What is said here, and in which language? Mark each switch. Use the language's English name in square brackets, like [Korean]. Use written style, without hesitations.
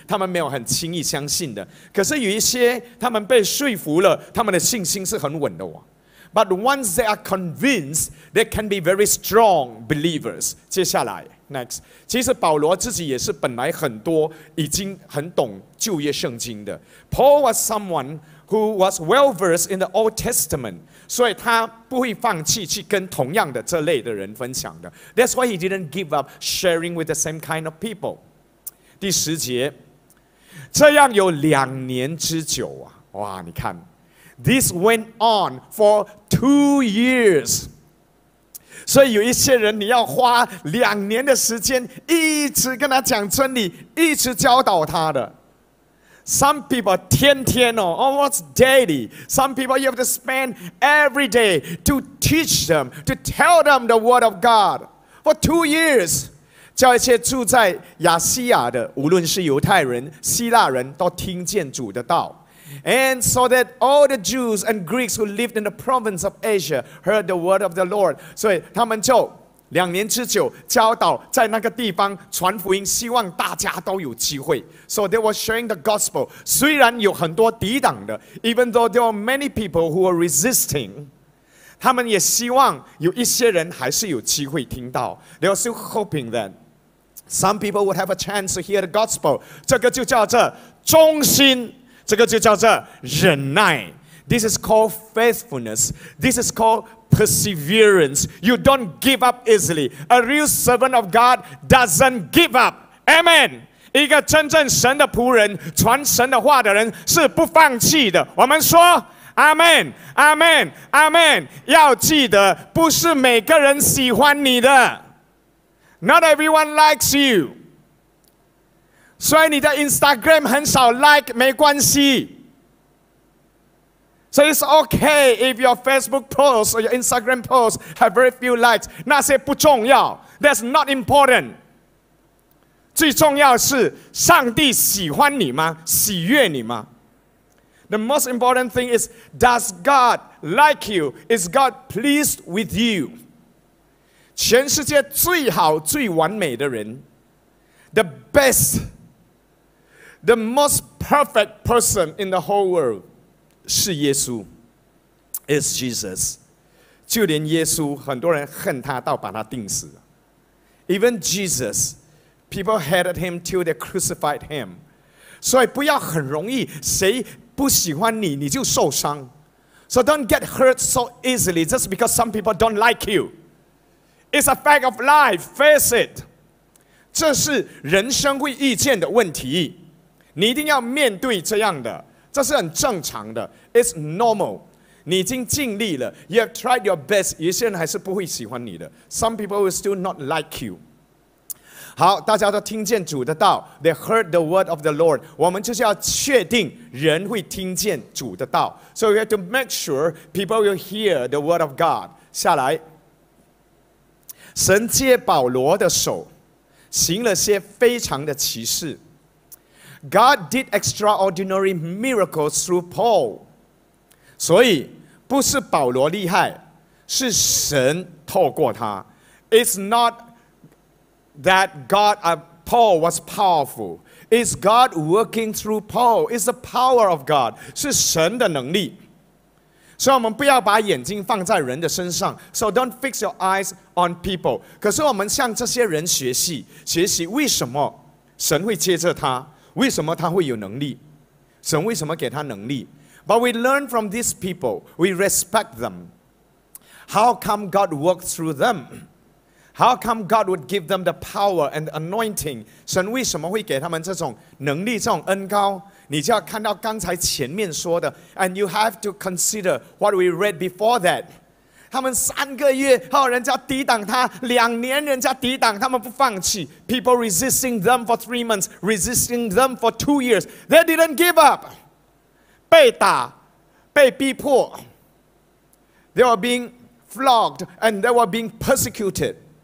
[Chinese] 他们没有很轻易相信的。可是有一些他们被说服了他们的信心是很稳的哦。 [English] But once they are convinced, they can be very strong believers. [Chinese] 接下来 , [English] next. [Chinese] 其实保罗自己也是本来很多已经很懂旧约圣经的。 [English] Paul was someone who was well versed in the Old Testament. [Chinese] 所以他不会放弃去跟同样的这类的人分享的。 [English] That's why he didn't give up sharing with the same kind of people. [Chinese] 第十节，这样有两年之久啊！哇，你看 [English] ，this went on for 2 years. [Chinese] 所以有一些人，你要花两年的时间，一直跟他讲真理，一直教导他的。 [English] Some people [Chinese] 天天哦 [English] almost daily. Some people you have to spend every day to teach them, to tell them the word of God for 2 years. [Chinese] 叫一些住在亚细亚的，无论是犹太人、希腊人，都听见主的道。 [English] And so that all the Jews and Greeks who lived in the province of Asia heard the word of the Lord. [Chinese] 所以他们就两年之久教导在那个地方传福音，希望大家都有机会。 [English] So they were sharing the gospel. [Chinese] 虽然有很多抵挡的， [English] even though there were many people who were resisting, [Chinese] 他们也希望有一些人还是有机会听到。 [English] They were still hoping that some people would have a chance to hear the gospel. [Chinese] 这个就叫做忠心，这个就叫做忍耐。 [English] This is called faithfulness. This is calledperseverance. You don't give up easily. A real servant of God doesn't give up. Amen. [Chinese] 一个真正神的仆人，传神的话的人是不放弃的。我们说 Amen, Amen, Amen. 要记得，不是每个人喜欢你的。 [English] Not everyone likes you. [Chinese] 所以你的 Instagram 很少 like 没关系。 [English] So it's okay if your Facebook posts or your Instagram posts have very few likes. [Chinese] 那些不重要， [English] that's not important. [Chinese] 最重要是上帝喜欢你吗？喜悦你吗？ [English] The most important thing is, does God like you? Is God pleased with you? [Chinese] 全世界最好最完美的人， [English] the best, the most perfect person in the whole world. [Chinese] 是耶稣 [English] is Jesus. [Chinese] 就连耶稣，很多人恨他到把他钉死。 [English] Even Jesus, people hated him till they crucified him. [Chinese] 所以不要很容易，谁不喜欢你，你就受伤。 [English] So don't get hurt so easily just because some people don't like you. It's a fact of life, face it. [Chinese] 这是人生会遇见的问题，你一定要面对这样的，这是很正常的。 [English] It's normal. [Chinese] 你已经尽力了， [English] You have tried your best. [Chinese] 有些人还是不会喜欢你的。 [English] Some people will still not like you. [Chinese] 好，大家都听见主的道， [English] They heard the word of the Lord. [Chinese] 我们就是要确定人会听见主的道。 [English] So we have to make sure people will hear the word of God. [Chinese] 下来，神借保罗的手行了些非常的奇事。 [English] God did extraordinary miracles through Paul. [Chinese] 所以不是保罗厉害，是神透过他。 [English] It's not that God, Paul was powerful. It's God working through Paul. It's the power of God. [Chinese] 是神的能力。所以我们不要把眼睛放在人的身上。 [English] So don't fix your eyes on people. [Chinese] 可是我们向这些人学习，学习为什么神会接着他，为什么他会有能力，神为什么给他能力。 [English] But we learn from these people. We respect them. How come God worked through them? How come God would give them the power and the anointing? [Chinese] 神为什么会给他们这种能力，这种恩膏？你就要看到刚才前面说的， [English] And you have to consider what we read before that. [Chinese] 他们三个月后人家抵挡他，两年人家抵挡，他们不放弃。 [English] People resisting them for 3 months, resisting them for 2 years. They didn't give up. [Chinese] 被打，被逼迫。 [English] They were being flogged and they were being persecuted.